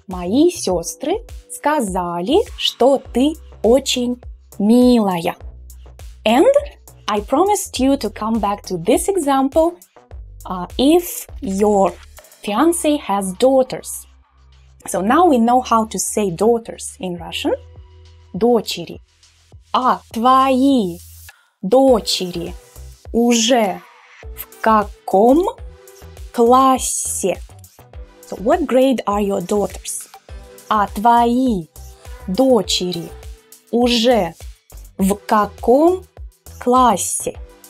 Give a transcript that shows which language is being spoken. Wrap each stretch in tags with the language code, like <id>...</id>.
<ru>Мои сестры сказали, что ты очень милая.</ru> <en>And I promised you to come back to this example if your fiancé has daughters. So now we know how to say daughters in Russian.</en> <ru>Дочери. А твои дочери уже в каком классе?</ru> <en>So what grade are your daughters?</en> <ru>А твои дочери уже в каком классе?</ru>